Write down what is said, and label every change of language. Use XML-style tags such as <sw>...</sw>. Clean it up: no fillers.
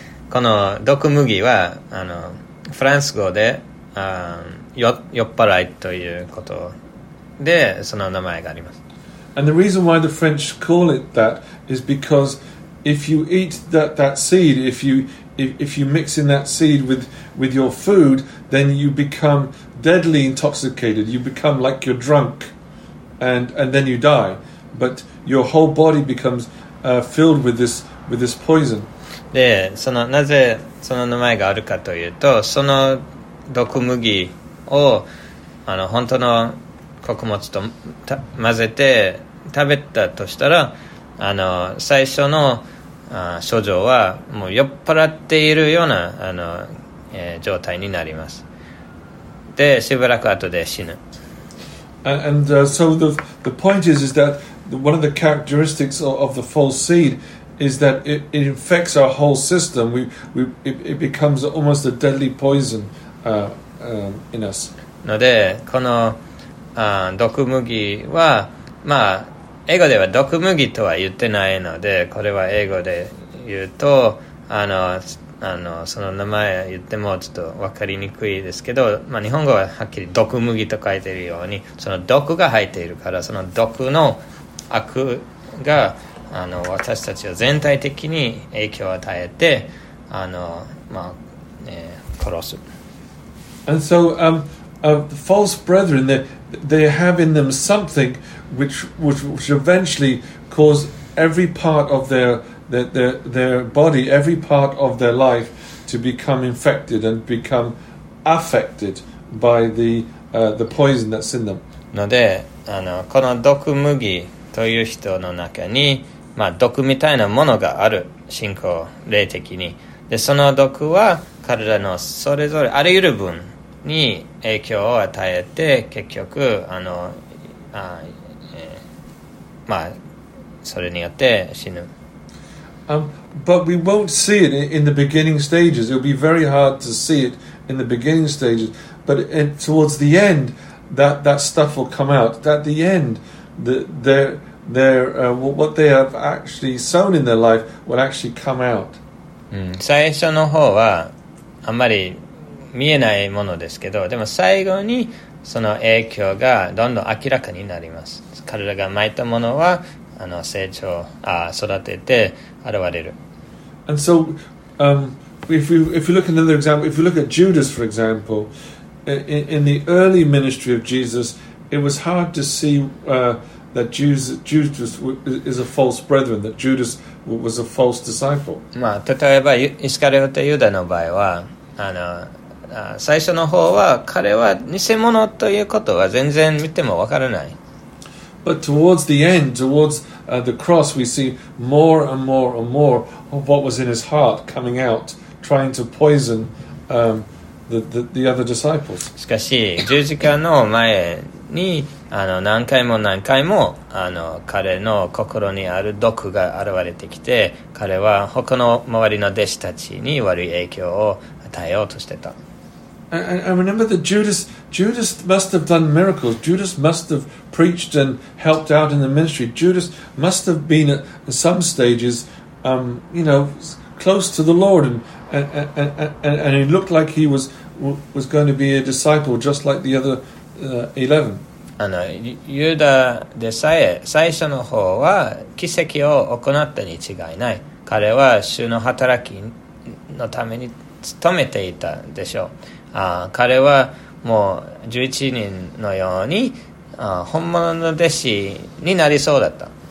<ja>この毒麦は、あの、フランス語で、酔っ払いということで、その名前があります。</ja> <en>And the reason why the French call it that is because if you eat that seed, if you mix in that seed with your food, then you become deadly intoxicated. You become like you're drunk, and then you die. But your whole body becomes filled with this poison.</en> <ja>で、そのなぜその名前があるかというと、その毒麦をあの本当の穀物と混ぜて食べたとしたら、あの最初の症状はもう酔っ払っているようなあの、状態になります。でしばらく後で死ぬ。</ja> <en>And so the point is that one of the characteristics of the false seed is that it infects our whole system. It becomes almost a deadly poison in us.</en> <ja>のでこの毒麦はまあ英語では毒麦とは言ってないので、これは英語で言うとあのその名前言ってもちょっと分かりにくいですけど、まあ、日本語ははっきり毒麦と書いているように、その毒が入っているから、その毒の悪があの私たちを全体的に影響を与えて、あの、まあ殺す。</ja> <en>And so the false brethren they have in them somethingwhich eventually cause every part of their body, every part of their life to become infected and become affected by the poison that's in them.</en> <ja>のであのこの毒麦という人の中に、まあ、毒みたいなものがある、信仰霊的に。でその毒は彼らのそれぞれあらゆる分に影響を与えて、結局あのあまあ、それによって死ぬ。</ja> <en>But we won't see it in the beginning stages. It'll be very hard to see it in the beginning stages. But towards the end, that stuff will come out. At the end, what they have actually sown in their life will actually come out.</en> <ja>最初の方はあんまり見えないものですけど、でも最後にその影響がどんどん明らかになります。彼らが撒いたものはあの成長あ育てて現れる。</ja> <en>And so, if you look at another example, if you look at Judas, for example, in the early ministry of Jesus, it was hard to see that Judas is a false brethren, that Judas was a false disciple.</en> <ja>まあ例えばイスカリオテユダの場合は、あの最初の方は彼は偽物ということは全然見てもわからない。</ja> <en>But towards the end, towards the cross, we see more and more and more of what was in his heart coming out, trying to poison the other disciples.</en> <ja>しかし、十字架の前にあの何回も何回もあの彼の心にある毒が現れてきて、彼は他の周りの弟子たちに悪い影響を与えようとしてた。</ja> <en>I remember that Judas must have done miracles. Judas must have preached and helped out in the ministry. Judas must have been at some stages, close to the Lord, and he looked like he was going to be a disciple just like the other 11.</en> <ja>あの、ユダでさえ最初の方は奇跡を行ったに違いない。彼は主の働きのために勤めていたでしょう。彼はもう11人のように本物の弟子になりそうだった。</ja>